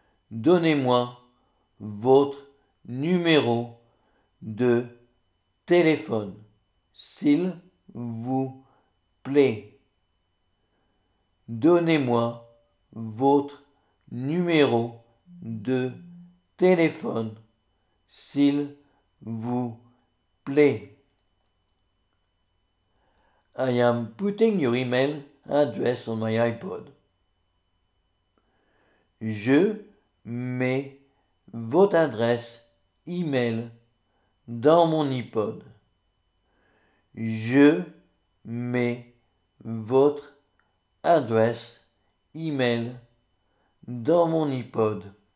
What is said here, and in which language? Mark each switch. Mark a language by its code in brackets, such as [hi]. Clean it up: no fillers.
[fr] Donnez-moi votre numéro de téléphone, s'il vous plaît. Donnez-moi votre numéro de téléphone, s'il vous plaît. [en] I am putting your email address on my iPod. [fr] Je mets votre adresse email dans mon iPod. Je mets votre adresse email dans mon iPod.